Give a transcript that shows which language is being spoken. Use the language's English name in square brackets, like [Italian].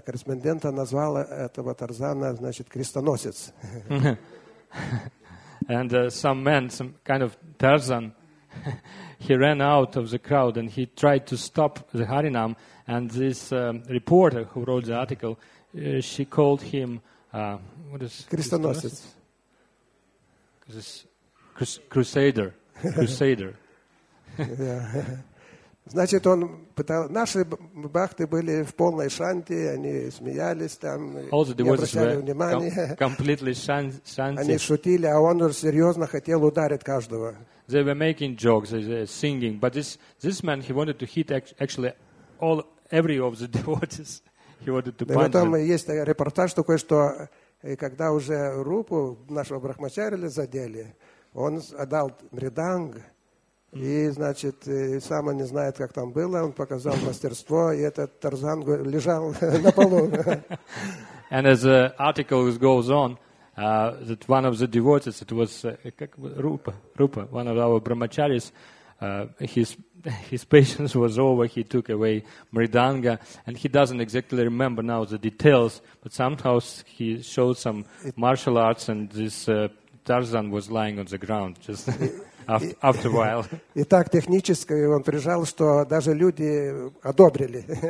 [Russian] Корреспондента назвала этого Тарзана, значит, крестоносец. [English] And some man, some kind of Tarzan, he ran out of the crowd and he tried to stop the Harinam. And this reporter who wrote the article, she called him, what is it? [Russian] Крестоносец. [English] Crusader. Crusader. [Russian] Значит, он пытался... Наши бахты были в полной шанти, они смеялись там, не обращали внимания. [English] Completely shanty. [Russian] Они шутили, а он уже серьезно хотел ударить каждого. [English] They were making jokes, they were singing. But this man, he wanted to hit actually all every of the devotees. He wanted to punch them. [Russian] Потом есть репортаж такой, что когда уже руку нашего брахмачарили задели, он отдал мриданг. И, значит, сам он не знает, как там было, он показал мастерство, и этот Тарзан лежал на полу. [English] And as the article goes on, that one of the devotees, it was Rupa, one of our brahmacharis, his patience was over, he took away mridanga, and he doesn't exactly remember now the details, but somehow he showed some martial arts, and this Тарзан was lying on the ground, just... After a while. [Russian] И так технически он прижал, что даже люди одобрили.